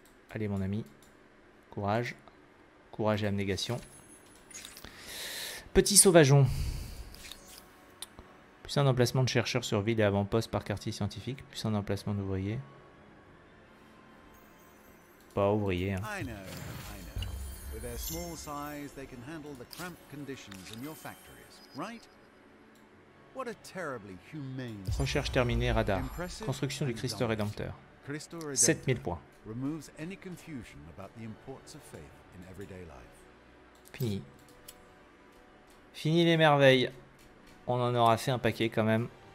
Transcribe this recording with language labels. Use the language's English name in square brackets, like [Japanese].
[French] Allez mon ami, courage, courage et abnégation. Petit sauvageon. Plus un emplacement de chercheurs sur ville et avant-poste par quartier scientifique, plus un emplacement d'ouvrier. Pas ouvrier. Hein. [English] I know. With their small size, they can handle the cramped conditions in your factories, right? What a terribly humane. [French] Recherche terminée, radar. Construction du Christ Rédempteur. 7000 points. [English] Removes any confusion about the importance of faith in everyday life. [French] Fini. Fini les merveilles. On en aura fait un paquet quand même.